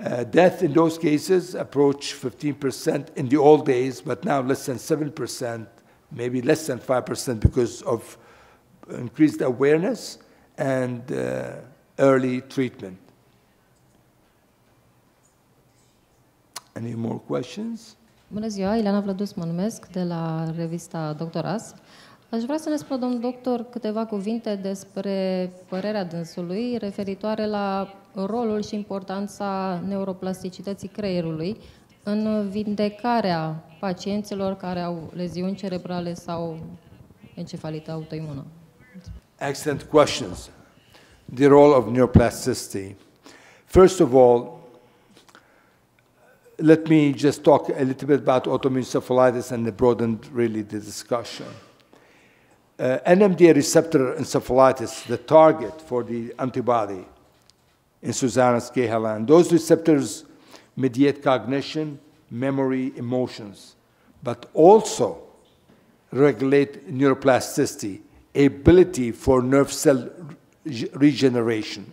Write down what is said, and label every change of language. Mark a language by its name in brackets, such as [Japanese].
[English] Death in those cases approach 15% in the old days, but now less than 7%, maybe less than 5% because of increased awareness and early treatment. Any more questions? [Romanian] Bună ziua, Ileana Vlădus mă numesc, de la revista Doctoras. Aș vrea să ne spună, domnul doctor, câteva cuvinte despre părerea dânsului referitoare la rolul și importanța neuroplasticității creierului în vindecarea pacienților care au leziuni cerebrale sau encefalită autoimună. [English] Excellent questions. The role of neuroplasticity. First of all, let me just talk a little bit about autoimmune encephalitis and broaden really the discussion. NMDA receptor encephalitis, the target for the antibody in Susanna's case, and those receptors mediate cognition, memory, emotions, but also regulate neuroplasticity, ability for nerve cell regeneration.